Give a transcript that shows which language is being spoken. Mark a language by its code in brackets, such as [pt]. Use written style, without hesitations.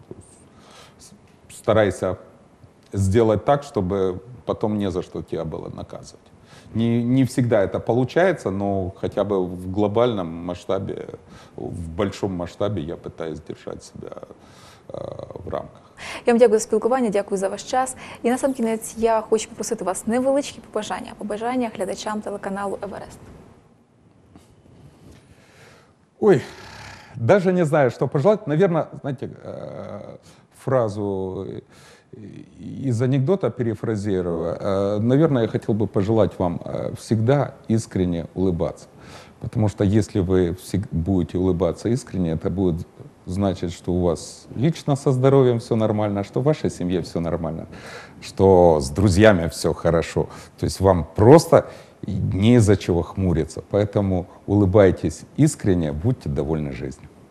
[ru] То есть старайся сделать так, чтобы потом не за что тебя было наказывать. Не всегда это получается, но хотя бы в глобальном масштабе, в большом масштабе я пытаюсь держать себя в рамках. [uk] Я вам дякую за спілкування, дякую за ваш час. І на сам кінець я хочу попросити вас невеличкі побажання, а побажання глядачам телеканалу «Еверест». Ой, навіть не знаю, що пожелати. Наверно, знаєте, фразу із анекдота перефразирую. Наверно, я хотів би пожелати вам завжди іскренне [ru] улыбаться. Потому что если вы будете улыбаться искренне, это будет значить, что у вас лично со здоровьем все нормально, что в вашей семье все нормально, что с друзьями все хорошо. То есть вам просто не из-за чего хмуриться. Поэтому улыбайтесь искренне, будьте довольны жизнью.